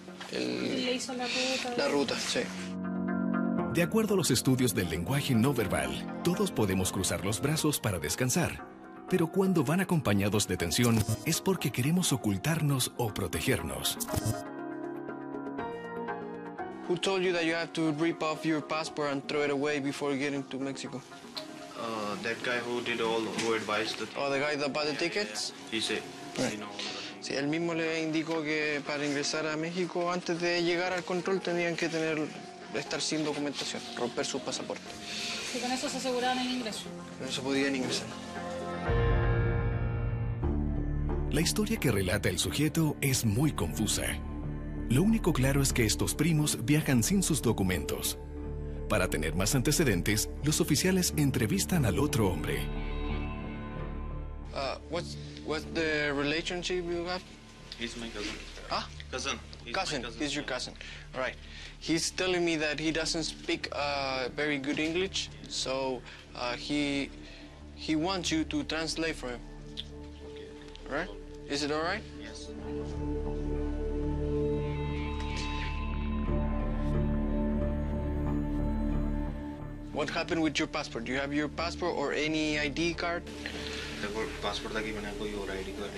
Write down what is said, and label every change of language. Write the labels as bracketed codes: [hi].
[es] le hizo la ruta. La ruta, sí. De acuerdo a los estudios del lenguaje no verbal, todos podemos cruzar los brazos para descansar. Pero cuando van acompañados de tensión, es porque queremos ocultarnos o protegernos. [en] Who told you that you have to rip off your passport and throw it away before getting to Mexico? That guy who advised the guy that bought the tickets? Yeah. He said, right. He know all the things. [es] Sí, él mismo le indicó que para ingresar a México antes de llegar al control tenían que estar sin documentación, romper su pasaporte. Y con eso se aseguraban el ingreso. Con eso podían ingresar. La historia que relata el sujeto es muy confusa. Lo único claro es que estos primos viajan sin sus documentos. Para tener más antecedentes, los oficiales entrevistan al otro hombre. [en] What's the relationship you have? He's my cousin. Ah? Cousin. Cousin. He's your cousin. Right. He's telling me that he doesn't speak very good English, so he wants you to translate for him. Okay. Right? Is it all right? Yes. Thank you. What happened with your passport? Do you have your passport or any ID card? [es] Tengo passport aquí, pero no tengo ID card.